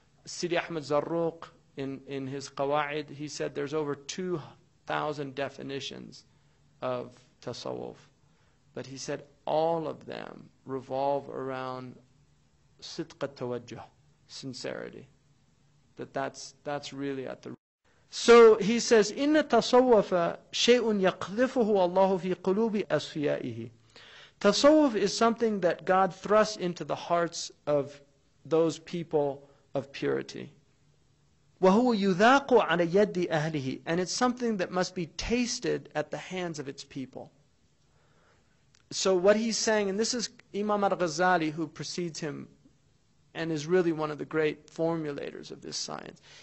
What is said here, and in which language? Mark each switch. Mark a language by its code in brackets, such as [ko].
[en] Sidi Ahmed Zarruq, in his qawa'id, he said there's over 2,000 definitions of tasawwuf. But he said all of them revolve around sidq al-tawajjuh, sincerity. That's really at the root. So he says, [ar] إِنَّ تَصَوَّفَ شَيْءٌ يَقْذِفُهُ اللَّهُ فِي قُلُوبِ أَسْفِيَائِهِ. [en] Tasawwuf is something that God thrusts into the hearts of those people of purity. [ar] وَهُوَ يُذَاقُ عَلَى يَدِّ أَهْلِهِ. [en] And it's something that must be tasted at the hands of its people. So what he's saying, and this is Imam al-Ghazali who precedes him and is really one of the great formulators of this science.